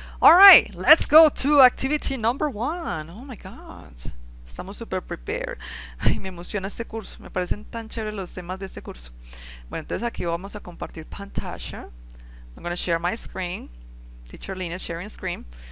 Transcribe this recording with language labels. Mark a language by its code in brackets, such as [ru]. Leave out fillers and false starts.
[en] All right, let's go to activity number one. Oh my God. [es] Estamos súper prepared. Ay, me emociona este curso. Me parecen tan chéveres los temas de este curso. Bueno, entonces aquí vamos a compartir pantalla. [en] I'm going to share my screen. Teacher Lynn is sharing screen.